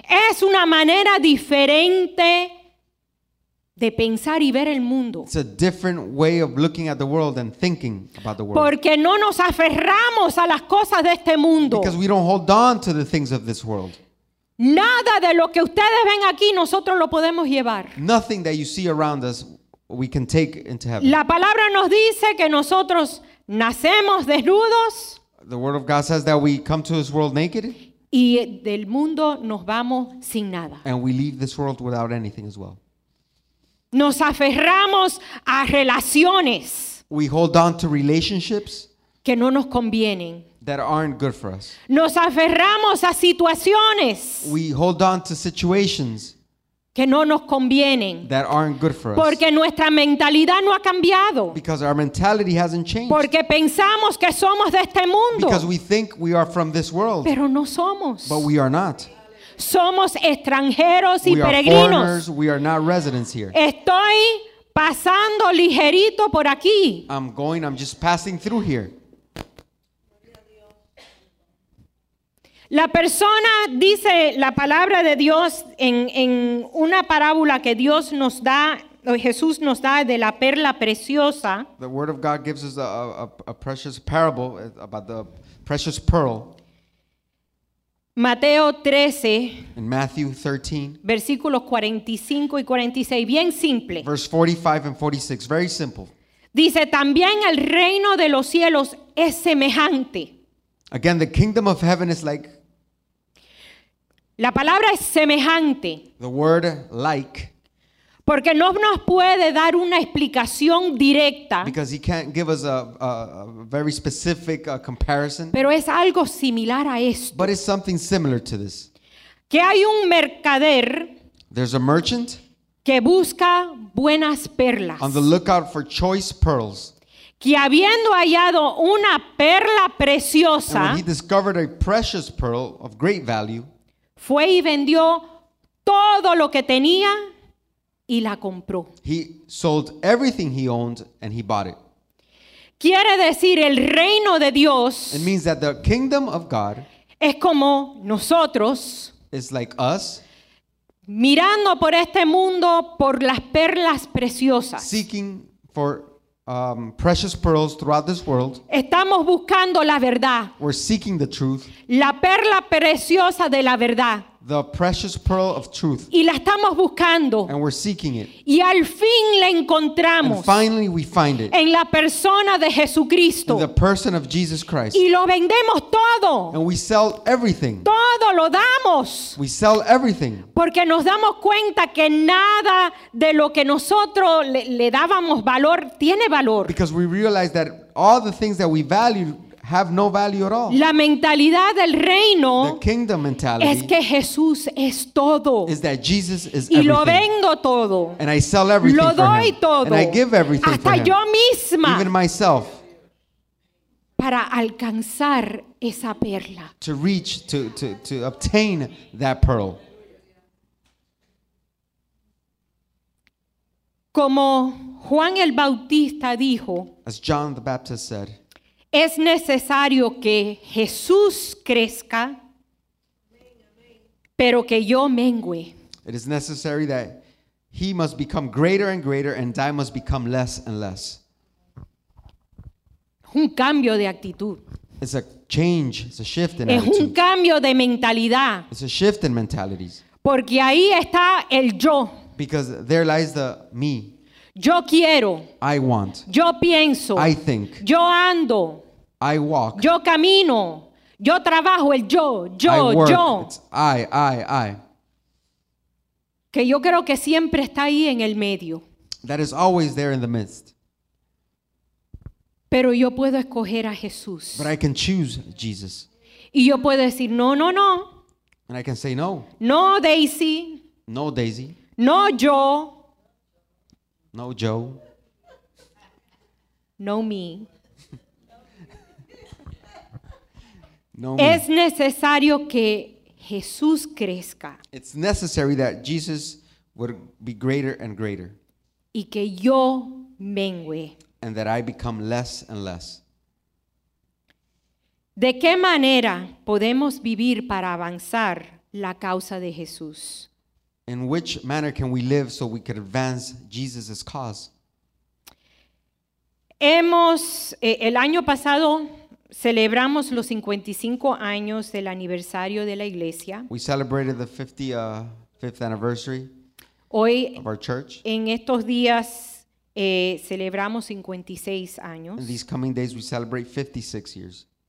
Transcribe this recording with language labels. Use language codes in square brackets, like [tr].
[es] Es una manera diferente de pensar y ver el mundo. [en] It's a different way of looking at the world and thinking about the world. [es] Porque no nos aferramos a las cosas de este mundo. [en] Because we don't hold on to the things of this world. [es] Nada de lo que ustedes ven aquí nosotros lo podemos llevar. [en] Nothing that you see around us we can take into heaven. [es] La palabra nos dice que nosotros nacemos desnudos. [en] The word of God says that we come to this world naked. [es] Y del mundo nos vamos sin nada. [en] And we leave this world without anything as well. [es] Nos aferramos a relaciones. [en] We hold on to relationships. [es] Que no nos convienen. [en] That aren't good for us. [es] Nos aferramos a situaciones. [en] We hold on to situations. [es] Que no nos convienen. [en] That aren't good for us. [es] Porque nuestra mentalidad no ha cambiado. [en] Because our mentality hasn't changed. [es] Porque pensamos que somos de este mundo. [en] Because we think we are from this world. [es] Pero no somos. [en] But we are not. [es] Somos extranjeros y [en] we [es] peregrinos. [en] Are foreigners. We are not residents here. [es] Estoy pasando ligerito por aquí. [en] I'm just passing through here. [es] La persona dice la palabra de Dios en una parábola que Dios nos da, o Jesús nos da de la perla preciosa. [en] The word of God gives us a precious parable about the precious pearl. [es] Mateo 13. [en] In Matthew 13. [es] Versículos 45 y 46, bien simple. [en] Verse 45 and 46, very simple. [es] Dice, también el reino de los cielos es semejante. [en] Again, the kingdom of heaven is like. [es] La palabra es semejante. [en] The word like. [es] Porque no nos puede dar una explicación directa. [en] Because he can't give us a very specific comparison. [es] Pero es algo similar a esto. [en] But it's something similar to this. [es] Que hay un mercader. [en] There's a merchant. [es] Que busca buenas perlas. [en] On the lookout for choice pearls. [es] que habiendo hallado una perla preciosa, [en] when he discovered a precious pearl of great value, [es] fue y vendió todo lo que tenía y la compró. [en] He sold everything he owned and he bought it. [es] Quiere decir el reino de Dios, [en] it means that the kingdom of God, [es] es como nosotros, [en] is like us, [es] mirando por este mundo por las perlas preciosas, [en] seeking for precious pearls throughout this world. [es] Estamos buscando la verdad. [en] We're seeking the truth. [es] La perla preciosa de la verdad. [en] The precious pearl of truth. [es] Y la estamos buscando. [en] And we're seeking it. [es] Y al fin la encontramos. [en] And finally we find it. [es] En la persona de Jesucristo. [en] In the person of Jesus Christ. [es] Y lo vendemos todo. [en] And we sell everything. [es] Todo lo damos. [en] We sell everything. [es] Porque nos damos cuenta que nada de lo que nosotros le dábamos valor tiene valor. [en] Because we realize that all the things that we value have no value at all. [es] La mentalidad del reino, [en] the kingdom mentality, [es] es que Jesús es todo. [en] Is that Jesus is [es] y [en] everything. [es] Y lo vendo todo. [en] And I sell everything [es] lo doy [en] for him. [es] Todo. [en] And I give everything [es] hasta [en] for him. [es] Yo misma. [en] Even myself. [es] Para alcanzar esa perla. [en] To reach, to obtain that pearl. [es] Como Juan el Bautista dijo, [en] as John the Baptist said, [es] es necesario que Jesús crezca, pero que yo mengüe. [en] It is necessary that he must become greater and greater and I must become less and less. [es] Un cambio de actitud. [en] It's a change, it's a shift in [es] es [en] attitude. [es] Un cambio de mentalidad. [en] It's a shift in mentalities. [es] Porque ahí está el yo. [en] Because there lies the me. [es] Yo quiero. [en] I want. [es] Yo pienso. [en] I think. [es] Yo ando. [en] I walk. [es] Yo camino. Yo trabajo. El yo. Yo. [en] I work. [es] Yo. [en] It's I. [es] Que yo creo que siempre está ahí en el medio. [en] That is always there in the midst. [es] Pero yo puedo escoger a Jesús. [en] But I can choose Jesus. [es] Y yo puedo decir no, no, no. [en] And I can say no. [es] No, Daisy. [en] No, Daisy. [es] No, yo. [en] No, Joe. No, me. No, me. [es] Es necesario que Jesús crezca. [en] It's necessary that Jesus would be greater and greater. [es] Y que yo mengüe. [en] And that I become less and less. [es] ¿De qué manera podemos vivir para avanzar la causa de Jesús? [en] In which manner can we live so we could advance Jesus' cause? [es] Hemos, el año pasado celebramos los 55 años del aniversario de la iglesia. [en] We celebrated the 55th anniversary [es] hoy, [en] of our church. [es] En estos días celebramos 56 años. [en] In these coming days we celebrate 56 years.